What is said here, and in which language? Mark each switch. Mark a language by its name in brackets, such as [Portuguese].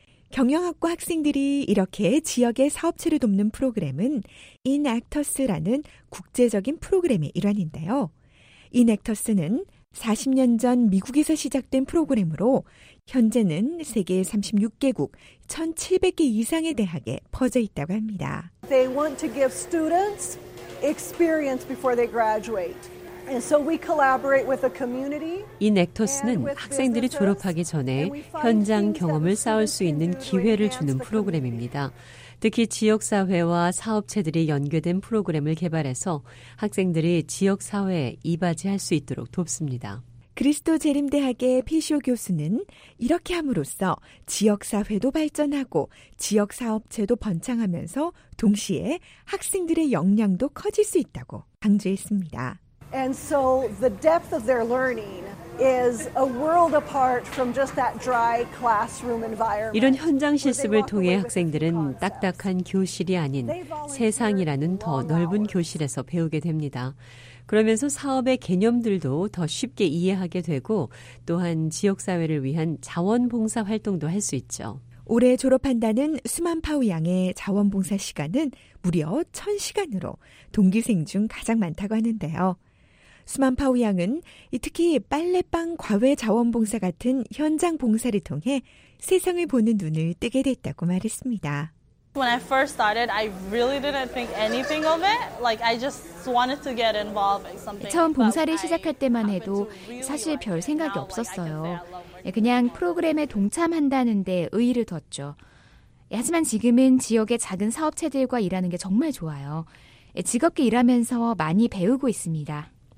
[Korean] 경영학과 학생들이 이렇게 지역의 사업체를 돕는 프로그램은 인액터스라는 국제적인 프로그램의 일환인데요. 인액터스는 40년 전 미국에서 시작된 프로그램으로 현재는 세계 36개국 1,700개 이상의 대학에 퍼져 있다고 합니다. [English] They want to give students experience before they graduate. And so we collaborate with the community. [Korean] 이 넥터스는 학생들이 졸업하기 전에 현장 경험을 쌓을 수 있는 기회를 주는 프로그램입니다. 특히 지역사회와 사업체들이 연계된 프로그램을 개발해서 학생들이 지역사회에 이바지할 수 있도록 돕습니다. 그리스도 재림대학의 피시오 교수는 이렇게 함으로써 지역사회도 발전하고 지역사업체도 번창하면서 동시에 학생들의 역량도 커질 수 있다고 강조했습니다. [English] And so the depth of their learning is a world apart from just that dry classroom environment. [Korean] 이런 현장 실습을 통해 학생들은 딱딱한 교실이 아닌 세상이라는 더 넓은 교실에서 배우게 됩니다. 그러면서 사업의 개념들도 더 쉽게 이해하게 되고 또한 지역 사회를 위한 자원봉사 활동도 할 수 있죠. 올해 졸업한다는 수만 파우 양의 자원봉사 시간은 무려 1,000시간으로 동기생 중 가장 많다고 하는데요. 수만 파우 양은 특히 빨래방 과외 자원봉사 같은 현장 봉사를 통해 세상을 보는 눈을 뜨게 됐다고 말했습니다. [English] When I first started, I really didn't think anything of it. Like I just wanted to get involved in something. [Korean] 처음 봉사를 시작할 때만 해도 사실 별 생각이 없었어요. 그냥 프로그램에 동참한다는 데 의의를 뒀죠. 하지만 지금은 지역의 작은 사업체들과 일하는 게 정말 좋아요. 즐겁게 일하면서 많이 배우고 있습니다.